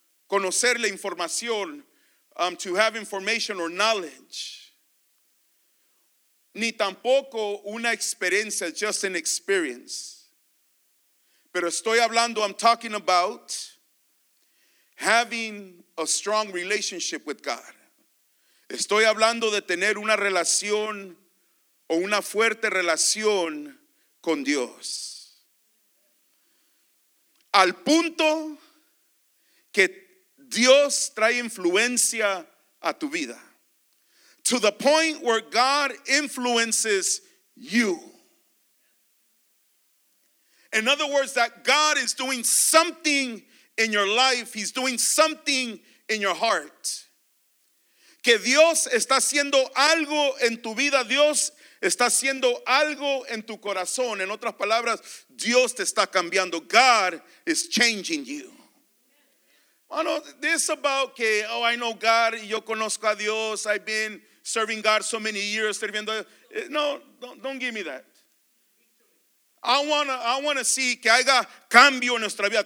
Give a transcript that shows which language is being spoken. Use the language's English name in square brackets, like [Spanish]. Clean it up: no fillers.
[Spanish] Conocer la información, [English] to have information or knowledge. [Spanish] Ni tampoco una experiencia, [English] just an experience. [Spanish] Pero estoy hablando, [English] I'm talking about having a strong relationship with God. [Spanish] Estoy hablando de tener una relación o una fuerte relación con Dios. Al punto que Dios trae influencia a tu vida. [English] To the point where God influences you. In other words, that God is doing something in your life. He's doing something in your heart. [Spanish] Que Dios está haciendo algo en tu vida. Dios está haciendo algo en tu corazón. En otras palabras, Dios te está cambiando. [English] God is changing you. Bueno, this about que, oh, I know God, [Spanish] yo conozco a Dios, [English] I've been serving God so many years, sirviendo. No, don't give me that. I wanna see [Spanish] que haya cambio en nuestra vida.